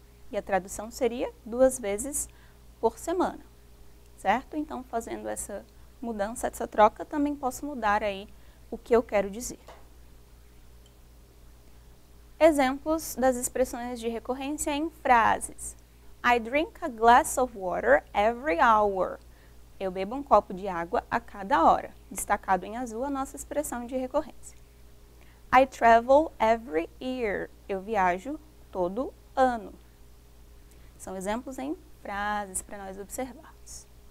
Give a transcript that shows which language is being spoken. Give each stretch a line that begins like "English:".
Portuguese: E a tradução seria duas vezes por semana. Certo? Então, fazendo essa mudança, essa troca, também posso mudar aí o que eu quero dizer. Exemplos das expressões de recorrência em frases.
English: I drink a glass of water every hour.
Portuguese: Eu bebo um copo de água a cada hora. Destacado em azul a nossa expressão de recorrência.
English: I travel every year.
Portuguese: Eu viajo todo ano. São exemplos em frases para nós observarmos.